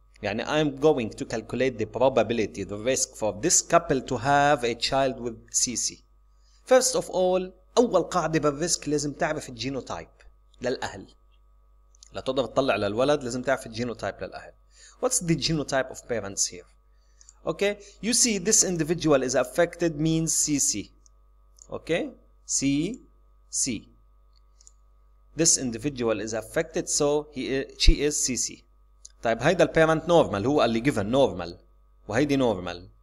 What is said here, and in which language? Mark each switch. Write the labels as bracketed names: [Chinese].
[Arabic] يعني [English] I'm going to calculate the probability, the risk for this couple to have a child with CC. First of all, [Arabic] أول قاعدة بالريسك لازم تعرف الجينوتايب للأهل. لا تقدر تطلع للولد, لازم تعرف الجينوتايب للأهل. [English] What's the genotype of parents here? Okay, you see this individual is affected means CC. Okay, CC. this individual is affected, so she is CC. [Arabic] طيب هيدا ال [English] payment normal [Arabic] هو اللي [English] given normal [Arabic] وهيدي normal.